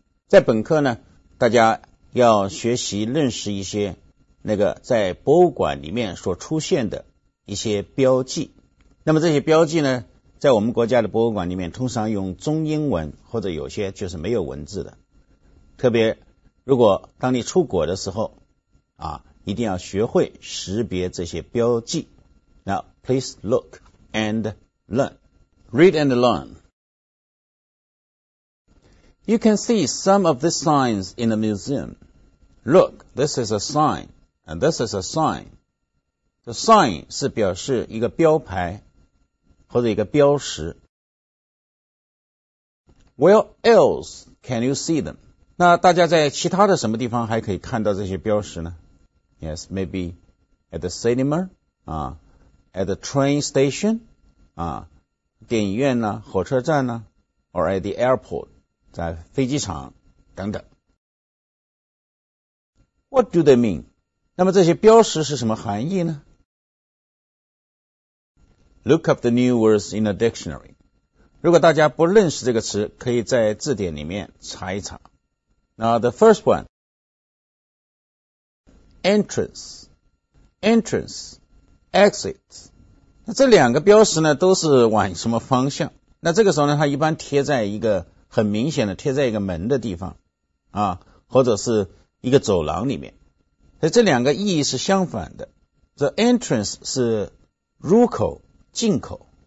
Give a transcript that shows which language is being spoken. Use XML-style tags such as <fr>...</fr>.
<zh>在本课呢，大家要学习认识一些那个在博物馆里面所出现的一些标记。那么这些标记呢，在我们国家的博物馆里面通常用中英文，或者有些就是没有文字的。特别如果当你出国的时候啊，一定要学会识别这些标记。</zh> <en>Now, please look and learn. Read and learn. You can see some of the signs in the museum. Look, this is a sign, and this is a sign.</en> <zh>The sign 是表示一个标牌或者一个标识。</zh> <en>Where else can you see them?</en> <zh>那大家在其他的什么地方还可以看到这些标识呢？</zh> <en>Yes, maybe at the cinema, at the train station,</en> <zh>电影院呢，火车站呢，</zh> <en>or at the airport,</en> <zh>在飞机场等等。</zh> <en>What do they mean?</en> <zh>那么这些标识是什么含义呢？</zh> <en>Look up the new words in the dictionary.</en> <zh>如果大家不认识这个词，可以在字典里面查一查。</zh> <en>Now the first one,Entrance, exit.</en> <zh>那这两个标识呢，都是往什么方向？那这个时候呢，它一般贴在一个很明显的贴在一个门的地方，或者是一个走廊里面。所以这两个意义是相反的。The entrance 是入口、进口。</zh>